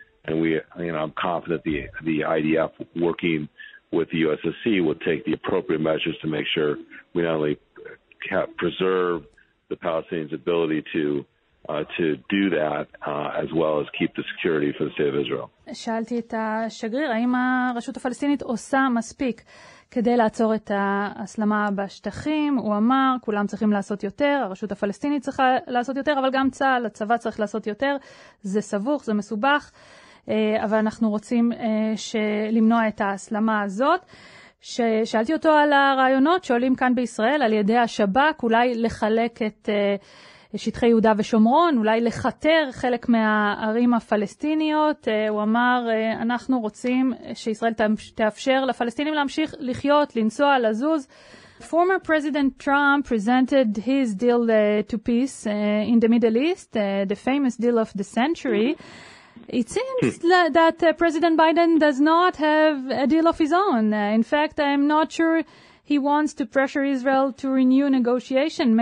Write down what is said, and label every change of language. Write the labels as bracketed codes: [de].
[en] And I'm confident the IDF, working with the USSC, will take the appropriate measures to make sure we not only preserve the Palestinians' ability to do that, as well as keep the security for the state of Israel. [he] שאלתי את השגריר, האם הרשות הפלסטינית עושה מספיק כדי לעצור את ההסלמה בשטחים? הוא אמר, כולם צריכים לעשות יותר, הרשות הפלסטינית צריכה לעשות יותר, אבל גם צהל, הצבא צריך לעשות יותר. זה סבוך, זה מסובך. אבל אנחנו רוצים למנוע את ההסלמה הזאת. שאלתי אותו על הרעיונות שעולים כאן בישראל על ידי השב"כ, אולי לחלק את שטחי יהודה ושומרון, אולי לחתר חלק מהערים הפלסטיניות. הוא אמר, אנחנו רוצים שישראל תאפשר לפלסטינים להמשיך לחיות, לנסוע, לזוז. [en] Former President Trump presented his deal to peace in the Middle East, the famous deal of the century. It seems that President Biden does not have a deal of his own. In fact, I'm not sure he wants to pressure Israel to renew negotiation.